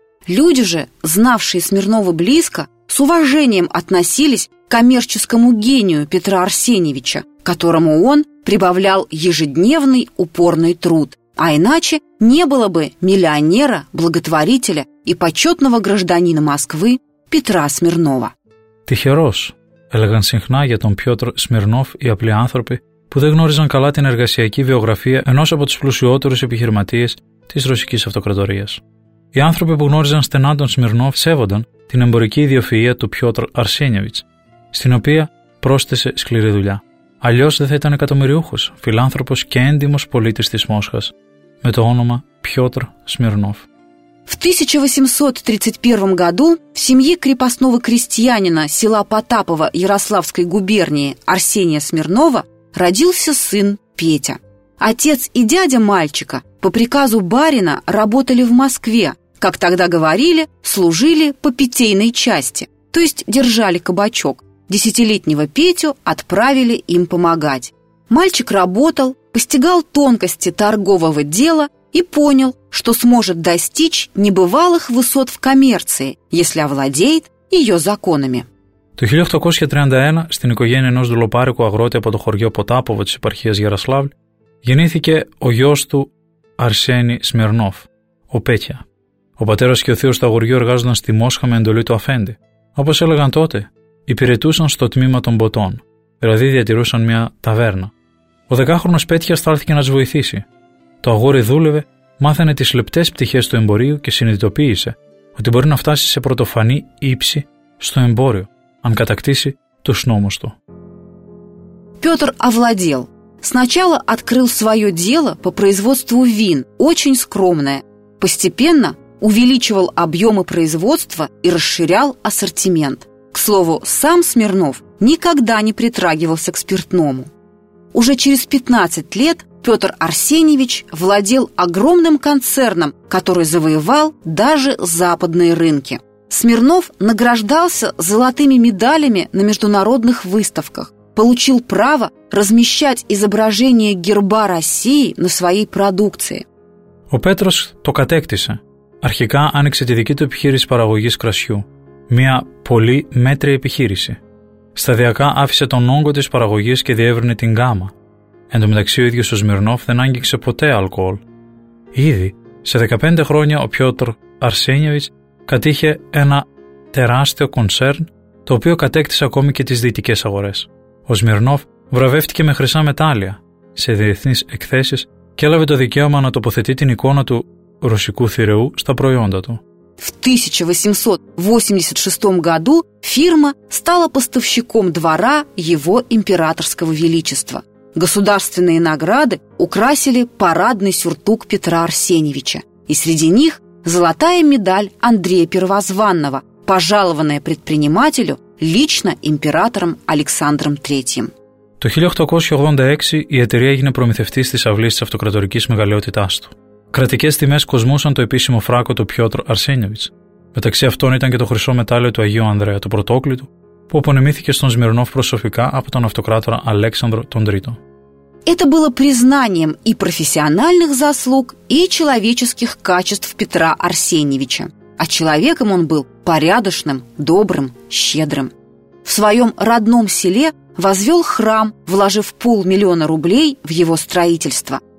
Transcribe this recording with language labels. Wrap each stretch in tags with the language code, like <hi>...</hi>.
<ru>Люди же, знавшие Смирнова близко, с уважением относились к коммерческому гению Петра Арсеньевича, которому он прибавлял ежедневный упорный труд, а иначе не было бы миллионера, благотворителя и почетного гражданина Москвы Петра Смирнова.</ru> <el>Тихерос, έλεγαν συχνά για τον Πιότρ Σμιρνόφ οι απλοί άνθρωποι που δεν γνώριζαν καλά την εργασιακή βιογραφία ενός από τους πλουσιότερους επιχειρηματίες της Ρωσικής Αυτοκρατορίας. Οι άνθρωποι που γνώριζαν στενά τον Σμιρνόφ σέβονταν την εμπορική ιδιοφυΐα του Πιότρ Αρσένιεβιτς, στην οποία πρόσθεσε σκληρή δουλειά. Αλλιώς δεν θα ήταν εκατομμυριούχος, φιλάνθρωπος και έντιμος πολίτης της Μόσχας, με το όνομα Πιότρ Σμιρνόφ.</el> <ru>В 1831 году в семье крепостного крестьянина села Потапово Ярославской губернии Арсения Смирнова родился сын Петя. Отец и дядя мальчика по приказу барина работали в Москве, как тогда говорили, служили по питейной части, то есть держали кабачок. Десятилетнего Петю отправили им помогать. Мальчик работал, постигал тонкости торгового дела и понял, что сможет достичь небывалых высот в коммерции, если овладеет ее законами.</ru> <el>Το 1831 στην οικογένεια ενός δουλοπάρικου αγρότη από το χωριό Ποτάπωβο της επαρχίας Γιαροσλάβλη γεννήθηκε ο γιος του Αρσένη Σμιρνόφ, ο Πέτια. Ο πατέρας και ο θείος του αγοριού εργάζονταν στη Μόσχα με εντολή του αφέντη. Όπως έλεγαν τότε, υπηρετούσαν στο τμήμα των ποτών, δηλαδή διατηρούσαν μια ταβέρνα. Ο 10χρονος Πέτια στάλθηκε να τους βοηθήσει. Το αγόρι δούλευε, μάθανε τις λεπτές πτυχές του εμπορίου και συνειδητοποίησε ότι μπορεί να φτάσει σε πρωτοφανή ύψη στο εμπόριο, αν κατακτήσει τους νόμους του.</el> <ru>Петр овладел. Сначала открыл свое дело по производству вин, очень скромное. Постепенно увеличивал объемы производства и расширял ассортимент. К слову, сам Смирнов никогда не притрагивался к спиртному. Уже через 15 лет Петр Арсеньевич владел огромным концерном, который завоевал даже западные рынки. Смирнов награждался золотыми медалями на международных выставках, получил право размещать изображение герба России на своей продукции.</ru> <el>Ο Πέτρος το κατέκτησε. Αρχικά άνοιξε τη δική του επιχείρηση παραγωγής κρασιού, μια πολύ μέτρια επιχείρηση. Σταδιακά άφησε τον όγκο της παραγωγής και διεύρυνε την γάμα. Εν τω μεταξύ, ο ίδιος ο Σμιρνόφ δεν άγγιξε ποτέ αλκοόλ. Ήδη, σε 15 χρόνια, ο Πιότρ Αρσένιεβιτς κατήχε ένα τεράστιο κονσέρν, το οποίο κατέκτησε ακόμη και τις δυτικές αγορές. Ο Σμιρνόφ βραβεύτηκε με χρυσά μετάλλια σε διεθνείς εκθέσεις και έλαβε το δικαίωμα να τοποθετεί την εικόνα του ρωσικού θηρεού στα προϊόντα του.</el> <ru>В 1886 году фирма стала поставщиком двора его императорского величества. Государственные награды украсили парадный сюртук Петра Арсеньевича, и среди них золотая медаль Андрея Первозванного, пожалованная предпринимателю лично императором Александром III.</ru> <el>Το 1886 η εταιρεία έγινε προμηθευτής της αυλής της αυτοκρατορικής μεγαλειότητάς του. Κρατικές τιμές κοσμούσαν το επίσημο φράκο του Πιότρ Αρσένιεβιτς. Μεταξύ αυτών ήταν και το χρυσό μετάλλιο του Αγίου Ανδρέα, του πρωτόκλητου, που απονεμήθηκε στον Σμιρνόφ προσωπικά από τον αυτοκράτορα Αλέξανδρο τον Τρίτο.</el> <ru>Это было признанием и профессиональных заслуг, и человеческих качеств Петра Арсеньевича. А человеком он был порядочным, добрым, щедрым. В своем родном селе возвел храм, вложив 500 000 рублей в его строительство.</ru>